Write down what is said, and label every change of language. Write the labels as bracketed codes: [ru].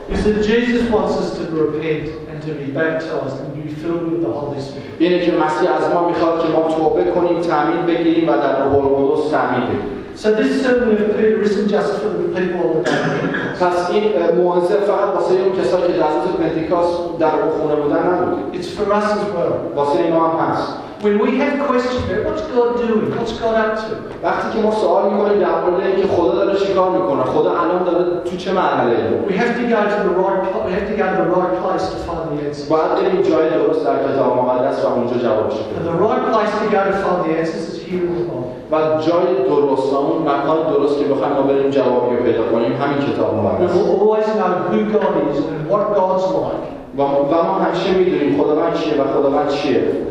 [en] Is that Jesus wants us to repent and to be baptized and be filled with the Holy Spirit. [fa] اینه که مسیح از ما میخواد که ما توبه کنیم، تعمید بگیریم و در روح القدس تعمید بگیریم. [en] So this sermon isn't just for the people of Pentecost. [fa] فقط واسه اون کسایی که در روز پنتیکاست در روح خونه بودن نبود. [en] It's for us as well. [fa] واسه ما هم هست. [en] When we have questions, what's God doing? What's God up to? [fa] وقتی که ما سوال می‌کنیم در مورد اینکه خدا داره چیکار می‌کنه، خدا الان داره تو چه مرحله‌ای؟ [en] We have to go to the right place. We have to go to the right place to find the answers. [fa] باید این جای درست در کتاب مقدس و اونجا جوابش بده. [en] The right place to go to find the answers is here in the [fa] Bible. و جای درست، همون مکان درست که بخوایم ما بریم جوابی رو پیدا کنیم، همین کتاب مقدس. [en] We always know who God is and what God's like. [fa] و ما همیشه می‌دونیم خداوند چیه و خداوند چیه.